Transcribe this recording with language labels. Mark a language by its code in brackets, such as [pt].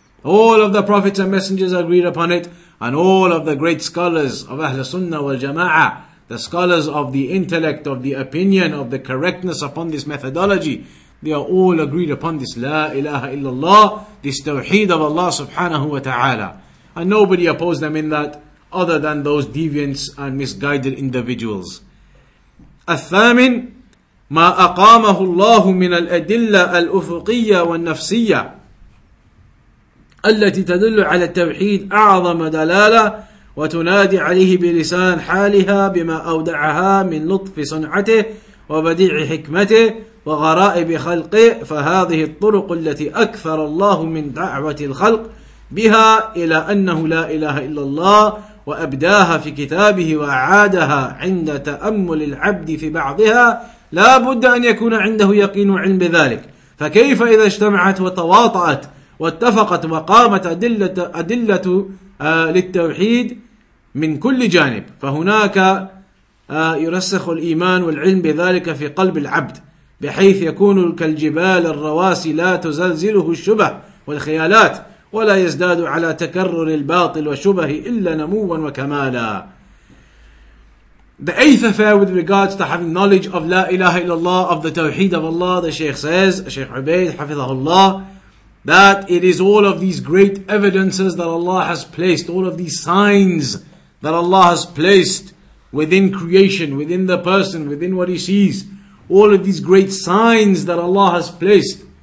[en] All of the prophets and messengers agreed upon it, and all of the great scholars of Ahl Sunnah wal Jama'ah, the scholars of the intellect, of the opinion, of the correctness upon this methodology, They are all agreed upon this La ilaha illallah, this tawheed of Allah subhanahu wa ta'ala. And nobody opposed them in that other than those deviants and misguided individuals. [ar] الثامن ما أقامه الله من الأدلة الأفقية والنفسية التي تدل على التوحيد أعظم دلالة وتنادي عليه بلسان حالها بما أودعها من لطف صنعته وبديع حكمته وغرائب خلقه فهذه الطرق التي أكثر الله من دعوة الخلق بها إلى أنه لا إله إلا الله وأبداها في كتابه وأعادها عند تأمل العبد في بعضها لا بد أن يكون عنده يقين وعلم بذلك فكيف إذا اجتمعت وتواطأت واتفقت وقامت أدلة للتوحيد من كل جانب فهناك يرسخ الإيمان والعلم بذلك في قلب العبد بحيث يكون كالجبال الرواسي لا تزلزله الشبه والخيالات ولا يزداد على تكرر الباطل وشبه إلا نموا وكمالا. [en] The eighth affair with regards to having knowledge of La ilaha illallah, of the Tawheed of Allah, the Shaykh says, Shaykh Ubayd, Hafidhahullah, that it is all of these great evidences that Allah has placed, all of these signs that Allah has placed within creation, within the person, within what he sees, all of these great signs that Allah has placed